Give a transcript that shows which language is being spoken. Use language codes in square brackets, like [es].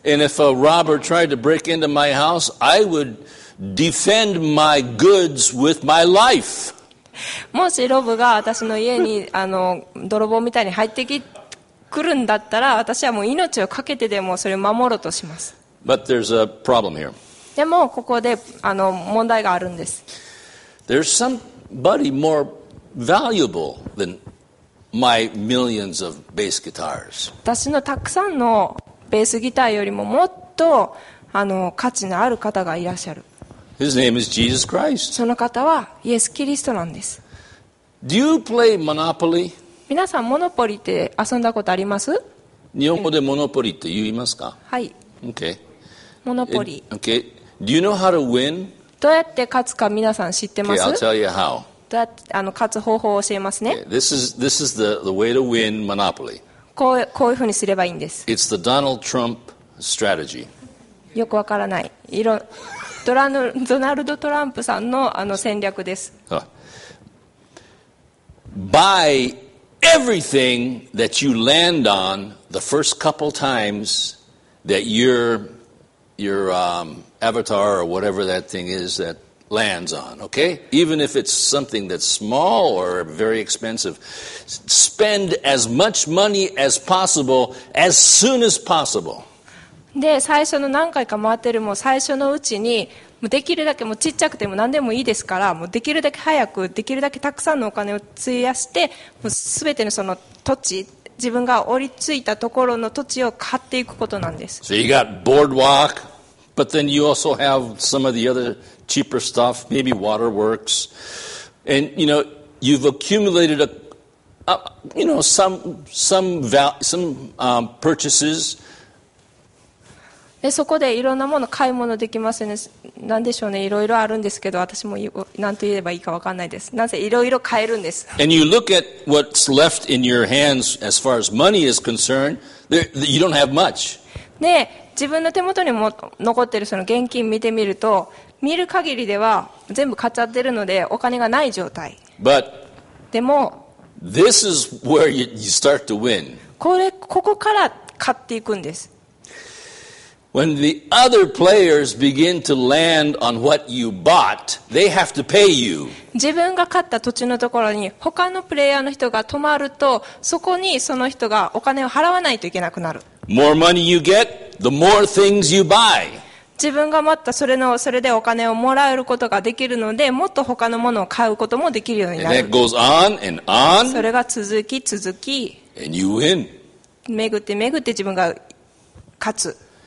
[en] And if a robber tried to break into my house, I would defend my goods with my life. [ja] もしロブが私の家にあの泥棒みたいに入ってくるんだったら、私はもう命を懸けてでもそれを守ろうとします。 [en] But there's a problem here. [ja] でもここであの問題があるんです。 [en] There's somebody more valuable than my millions of bass guitars. [ja] 私のたくさんのベースギターよりももっとあの価値のある方がいらっしゃる。 [en] His name is Jesus Christ. [ja] その方はイエス・キリストなんです。 [en] Do you play Monopoly? [ja] 皆さんモノポリって遊んだことあります？日本語でモノポリって言いますか？はい。 [en] Okay. [ja] モノポリ。 [en] Okay. Do you know how to win? [ja] どうやって勝つか皆さん知ってます [en] ？ Okay, I'll tell you how. [ja] どうやってあの勝つ方法を教えますね。 [en] Okay. This is the way to win Monopoly. [ja] こういうふうにすればいいんです。 [en] It's the Donald Trump strategy. [ja] よくわからない。ドナルド・トランプさんのあの戦略です。 [en] Buy everything that you land on the first couple times that you'reYour avatar or whatever that thing is that lands on, okay? Even if it's something that's small or very expensive, spend as much money as possible as soon as possible. [ja] で、最初の何回か回ってるも最初のうちに、もうできるだけもうちっちゃくても何でもいいですから、もうできるだけ早く、できるだけたくさんのお金を費やして、もうすべてのその土地。自分が降りついたところの土地を買っていくことなんです。 [en] So you got Boardwalk, but then you also have some of the other cheaper stuff, maybe Waterworks, and you know you've accumulated some purchases. [ja] でそこでいろんなもの買い物できますね。なんでしょうね。いろいろあるんですけど、私も何と言えばいいか分かんないです。なぜいろいろ買えるんです。 [en] And you look at what's left in your hands as far as money is concerned, you don't have much. [ja] で、自分の手元にも残ってるその現金見てみると、見る限りでは全部買っちゃってるので、お金がない状態。 [en] But, [ja] でも、 [en] this is where you start to win. [ja] ここから買っていくんです。 [en] When the other players begin to land on what you bought, they have to pay you. [ja] 自分が買った土地のところに他のプレイヤーの人が泊まると、そこにその人がお金を払わないといけなくなる。 [en] More money you get, the more things you buy. [ja] 自分が持ったそれでお金をもらえることができるので、もっと他のものを買うこともできるようになる。 [en] And it goes on and on. [ja] それが続き。 [en] And you win. [ja] 巡って巡って自分が勝つ。